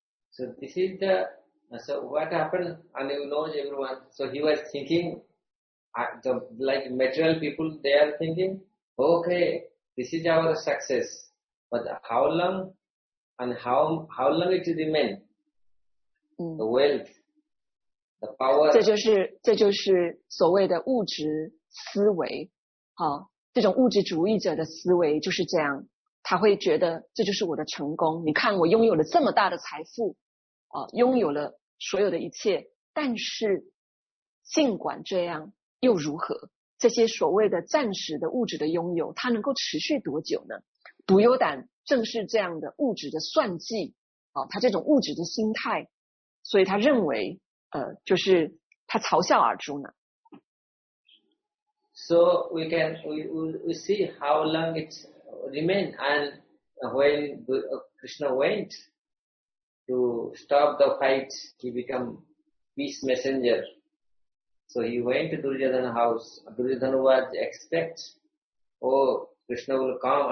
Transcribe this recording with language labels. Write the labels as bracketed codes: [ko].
[en] So this is the, so what happened, and you know everyone, so he was thinking, like material people, they are thinking, okay, this is our success, but how long, and how long it remain? The wealth, the power. [zh] 这就是所谓的物质思维，好，这种物质主义者的思维就是这样，他会觉得这就是我的成功，你看我拥有了这么大的财富。拥有了所有的一切，但是尽管这样又如何？这些所谓的暂时的物质的拥有，它能够持续多久呢？独优胆正是这样的物质的算计，他这种物质的心态，所以他认为就是他嘲笑阿朱呢。 [en] So we see how long it remained and when Krishna went. To stop the fight, he become peace messenger. So he went to Duryodhana's house. Duryodhana was expect, oh, Krishna will come.